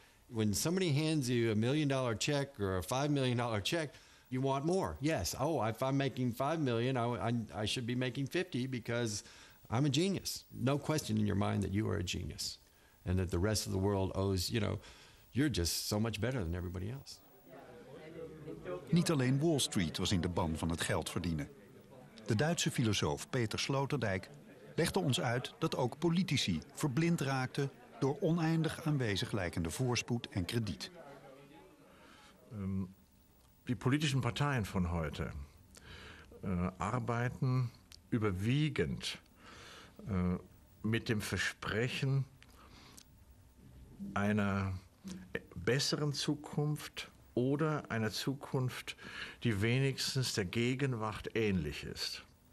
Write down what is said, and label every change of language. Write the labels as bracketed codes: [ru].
[en] When somebody hands you $1 million check or a $5 million check, you want more. Yes. Oh, if I'm making $5 million, I should be making 50 because I'm a genius. No question in your mind that you are a genius and that the rest of the world owes, you know, you're just so much better than everybody else. [nl] Niet alleen Wall Street was in de ban van het geld verdienen. De Duitse filosoof Peter Sloterdijk legde ons uit dat ook politici verblind raakten door oneindig aanwezig lijkende voorspoed en krediet. [de] Die politische partijen van heute arbeiten überwiegend met dem Versprechen einer besseren Zukunft oder einer Zukunft, die wenigstens der Gegenwart ähnlich ist.